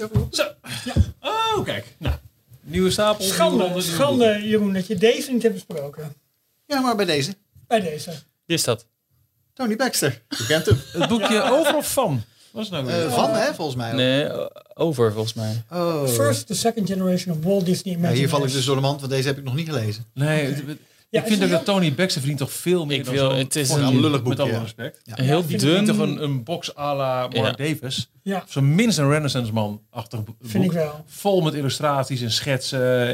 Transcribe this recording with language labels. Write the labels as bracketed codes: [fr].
[nl] Zo. Ja. Oh, kijk. Nou, nieuwe stapel. Schande, Jeroen, dat je deze niet hebt besproken. Ja, maar bij deze. Bij deze. Wie is dat? Tony Baxter. Je kent hem. Het boekje over of van? Was nou van, hè, volgens mij. Nee, over, volgens mij. Oh. [en] First, the second generation of Walt Disney Imagineers. [nl] Ja, hier val ik dus door de mand, want deze heb ik nog niet gelezen. Nee, okay. Ja, ik vind dat Tony Baxter verdient toch veel meer. Het is een lullig boekje. Met alle respect. Ja. Heel dun. Toch een box à la Mark Davis. Ja. Of tenminste een Renaissance-man-achtig boek. Vind ik wel. Vol met illustraties en schetsen.